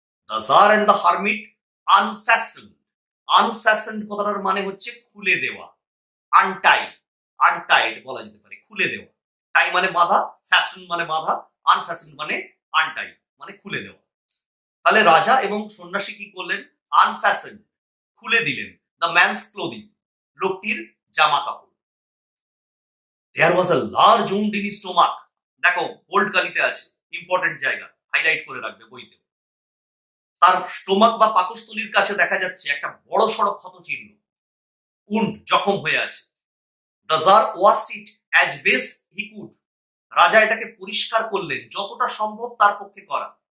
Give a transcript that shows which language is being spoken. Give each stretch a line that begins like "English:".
English: the tsar and the hermit unfastened,
Bangla: আনফ্যাসেন্ড কথাটার মানে হচ্ছে খুলে দেওয়া, আনটাইড, আনটাইড বলা যেতে পারে, খুলে দেওয়া, টাই মানে বাধা, ফ্যাসেন্ড মানে বাধা, আনফ্যাসেন্ড মানে আনটাইড মানে খুলে দেওয়া। তাহলে রাজা এবং সন্ন্যাসী কি করলেন, আনফ্যাসেন্ড খুলে দিলেন
English: the man's clothing
Bangla: লোকটির জামা কাপড়।
English: There was a large wound in his stomach.
Bangla: দেখো বোল্ড কালিতে আছে, ইম্পর্টেন্ট জায়গা, হাইলাইট করে রাখবে বইতে। তার স্টোমাক বা পাকস্থলীর কাছে দেখা যাচ্ছে একটা বড় সড়ক ক্ষত চিহ্ন, উন্ড জখম হয়ে আছে।
English: the tsar washed it as best he could,
Bangla: রাজা এটাকে পরিষ্কার করলেন যতটা সম্ভব তার পক্ষে করা।